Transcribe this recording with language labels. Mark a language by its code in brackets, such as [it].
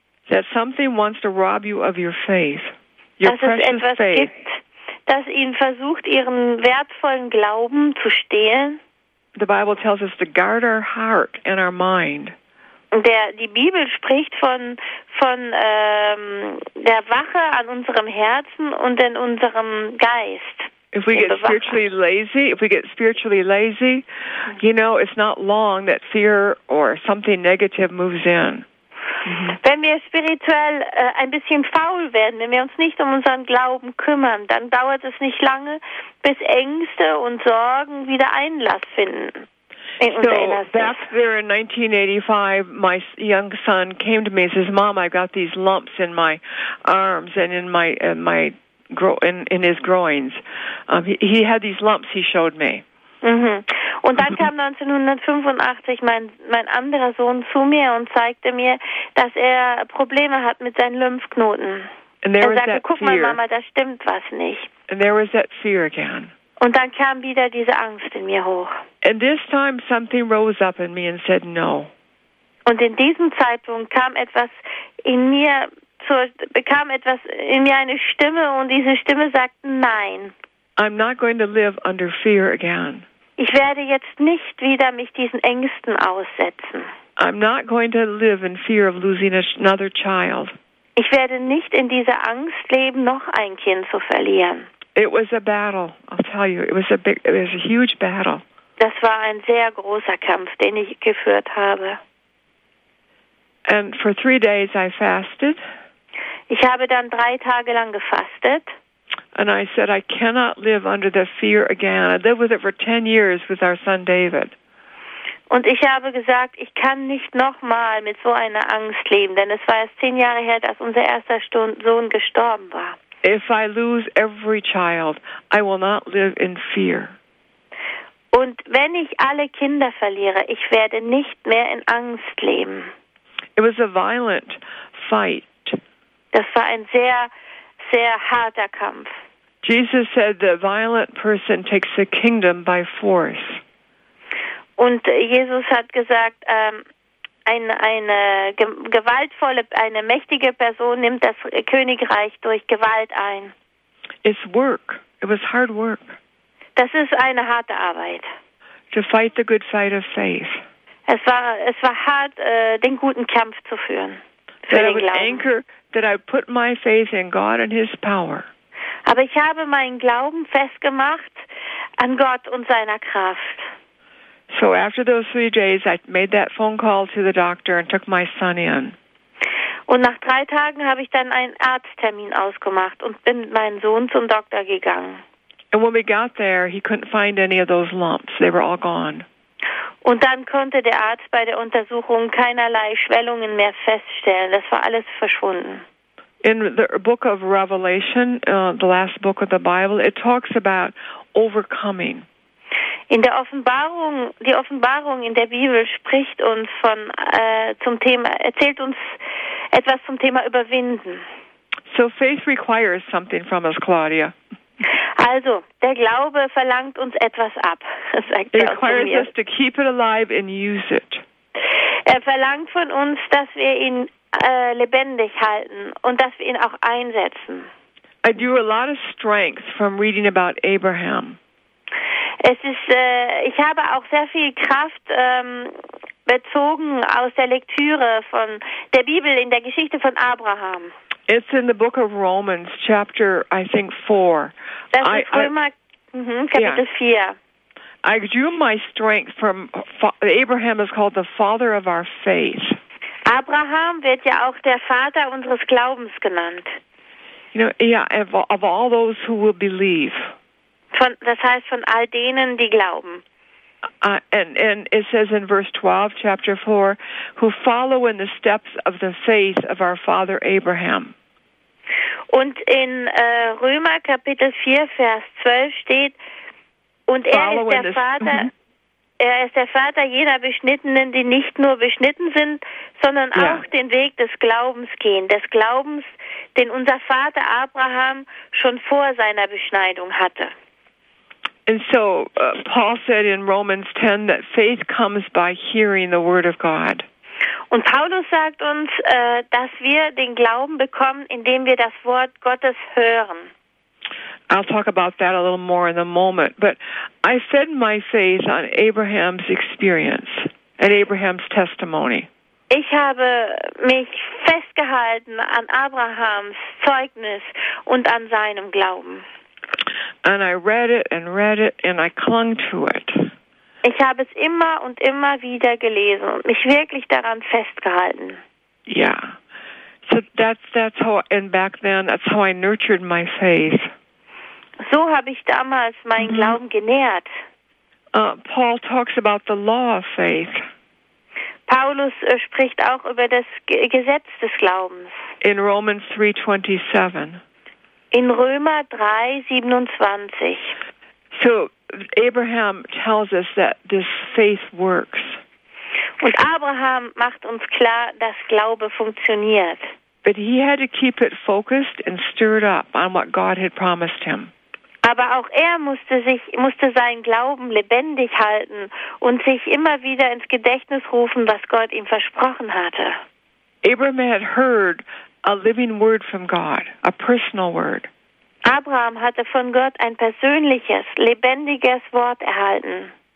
[en] That something wants to rob you of your faith, your precious faith. [de] Dass es etwas gibt, das ihnen versucht, ihren wertvollen Glauben zu stehlen. [en] The Bible tells us to guard our heart and our mind. [de] Die Bibel spricht von der Wache an unserem Herzen und in unserem Geist. [en] If we get spiritually lazy, you know, it's not long that fear or something negative moves in. [de] Wenn wir spirituell ein bisschen faul werden, wenn wir uns nicht um unseren Glauben kümmern, dann dauert es nicht lange, bis Ängste und Sorgen wieder Einlass finden. [en] So back there in 1985, my young son came to me and says, "Mom, I've got these lumps in my arms and in his groins." He had these lumps. He showed me. Mhm. [de] Und dann kam 1985 mein anderer Sohn zu mir und zeigte mir, dass er Probleme hat mit seinen Lymphknoten. [en] And there [de] er sagte, [en] was that [de] guck [en] fear. [de] Mal Mama, da stimmt was nicht. [en] And there was that fear again. [de] Und dann kam wieder diese Angst in mir hoch. [en] And this time something rose up in me and said no. [de] Und in diesem Zeitpunkt kam etwas in mir bekam etwas in mir, eine Stimme, und diese Stimme sagte: Nein. [en] I'm not going to live under fear again. [de] Ich werde jetzt nicht wieder mich diesen Ängsten aussetzen. [en] I'm not going to live in fear of losing another child. [de] Ich werde nicht in dieser Angst leben, noch ein Kind zu verlieren. [en] It was a battle, I'll tell you. It was a huge battle. [de] Das war ein sehr großer Kampf, den ich geführt habe. [en] And for 3 days I fasted. [de] Ich habe dann 3 Tage lang gefastet. [en] And I said, I cannot live under the fear again. I lived with it for 10 years with our son David. [de] Und ich habe gesagt, ich kann nicht nochmal mit so einer Angst leben, denn es war erst 10 Jahre her, dass unser erster Sohn gestorben war. [en] If I lose every child, I will not live in fear. [de] Und wenn ich alle Kinder verliere, ich werde nicht mehr in Angst leben. [en] It was a violent fight. [de] Das war ein sehr, sehr harter Kampf. [en] Jesus said the violent person takes the kingdom by force. [de] Und Jesus hat gesagt, eine mächtige Person nimmt das Königreich durch Gewalt ein. [en] It's work. It was hard work. [de] Das ist eine harte Arbeit. [en] To fight the good fight of faith. [de] Es war hart, den guten Kampf zu führen für den Glauben. [en] That I put my faith in God and His power. [de] Aber ich habe meinen Glauben festgemacht an Gott und seiner Kraft. [en] So after those 3 days, I made that phone call to the doctor and took my son in. [de] Und nach 3 Tagen habe ich dann einen Arzttermin ausgemacht und bin mit meinem Sohn zum Doktor gegangen. [en] And when we got there, he couldn't find any of those lumps. They were all gone. [de] Und dann konnte der Arzt bei der Untersuchung keinerlei Schwellungen mehr feststellen. Das war alles verschwunden. [en] In the book of Revelation, the last book of the Bible, it talks about overcoming. [de] In der Offenbarung, die Offenbarung in der Bibel spricht uns von zum Thema, erzählt uns etwas zum Thema Überwinden. [en] So faith requires something from us, Claudia. [de] Also, der Glaube verlangt uns etwas ab. Sagt [en] it requires us to keep it alive and use it. [de] Er verlangt von uns, dass wir ihn lebendig halten und dass wir ihn auch einsetzen. [en] I drew a lot of strength from reading about Abraham. [de] Ich habe auch sehr viel Kraft bezogen aus der Lektüre von der Bibel in der Geschichte von Abraham. [en] It's in the book of Romans, chapter, I think, 4. [de] Kapitel 4. [en] I drew my strength from Abraham is called the father of our faith. [de] Abraham wird ja auch der Vater unseres Glaubens genannt. [en] You know, of all those who will believe. [de] Das heißt, von all denen, die glauben. [en] And it says in verse 12, chapter 4, who follow in the steps of the faith of our father Abraham. [de] Und in Römer Kapitel 4, Vers 12 steht, und er ist der Vater jener Beschnittenen, die nicht nur beschnitten sind, sondern auch den Weg des Glaubens gehen, des Glaubens, den unser Vater Abraham schon vor seiner Beschneidung hatte. [en] And so Paul said in Romans 10 that faith comes by hearing the word of God. [de] Und Paulus sagt uns, dass wir den Glauben bekommen, indem wir das Wort Gottes hören. [en] I'll talk about that a little more in a moment, but I fed my faith on Abraham's experience and Abraham's testimony. [de] Ich habe mich festgehalten an Abrahams Zeugnis und an seinem Glauben. [en] And I read it and read it and I clung to it. [de] Ich habe es immer und immer wieder gelesen und mich wirklich daran festgehalten. [en] Yeah. So that's how, and back then, that's how I nurtured my faith. [de] So habe ich damals meinen Glauben genährt. [en] Paul talks about the law of faith. [de] Paulus spricht auch über das Gesetz des Glaubens. [en] In Romans 3:27. [de] In Römer 3:27. [en] So Abraham tells us that this faith works. [de] Und Abraham macht uns klar, dass Glaube funktioniert. [en] But he had to keep it focused and stirred up on what God had promised him. [de] Aber auch er musste seinen Glauben lebendig halten und sich immer wieder ins Gedächtnis rufen, was Gott ihm versprochen hatte. [en] Abraham had heard a living word from God, a personal word. [de] Abraham hatte von Gott ein persönliches, lebendiges Wort erhalten.